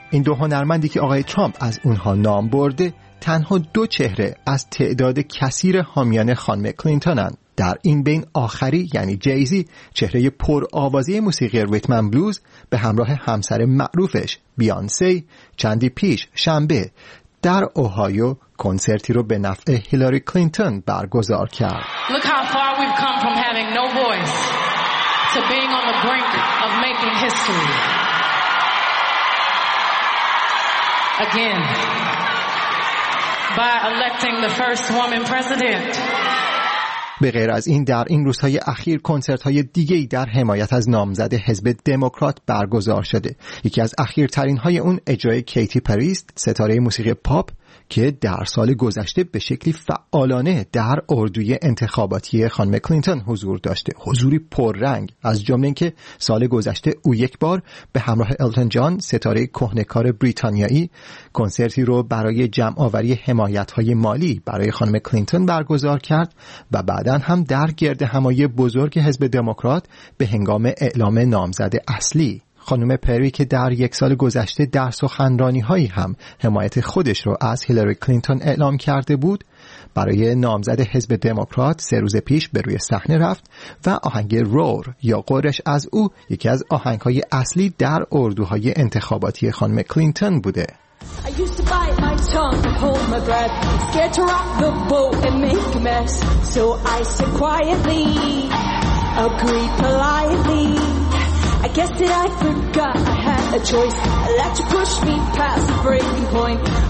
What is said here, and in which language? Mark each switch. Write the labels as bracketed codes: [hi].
[fa] این دو هنرمندی که آقای ترامپ از اونها نام برده تنها دو چهره از تعداد کثیر حامیان خانم کلینتونن. در این بین آخری یعنی جیزی، چهره پرآوازی موسیقی ریتم اند بلوز، به همراه همسر معروفش بیانسی چندی پیش شنبه در اوهایو کنسرتی رو به نفع هیلاری کلینتون برگزار کرد. [en] Look how far we've come from having no voice to being on the brink of making history. Again. By electing the first woman president. [fa] به غیر از این در این روزهای اخیر کنسرت‌های دیگه‌ای در حمایت از نامزد حزب دموکرات برگزار شده. یکی از اخیرترین‌های اون اجرای کیتی پریست، ستاره موسیقی پاپ که در سال گذشته به شکلی فعالانه در اردوی انتخاباتی خانم کلینتون حضور داشته. حضوری پررنگ، از جمله که سال گذشته او یک بار به همراه التون جان، ستاره کهنه‌کار بریتانیایی، کنسرتی رو برای جمع‌آوری حمایت‌های مالی برای خانم کلینتون برگزار کرد و بعداً هم در گرد همایی بزرگ حزب دموکرات به هنگام اعلام نامزد اصلی. خانم پری که در یک سال گذشته در سخنرانی‌هایی هم حمایت خودش رو از هیلاری کلینتون اعلام کرده بود، برای نامزد حزب دموکرات 3 روز پیش به روی صحنه رفت و آهنگ رور یا قرش از او یکی از آهنگ‌های اصلی در اردوهای انتخاباتی خانم کلینتون بوده. [en] I used to bite my tongue and hold my breath, scared to rock the boat and make a mess. So I said quietly, agreed politely. I guess that I forgot I had a choice. I let you push me past the breaking point.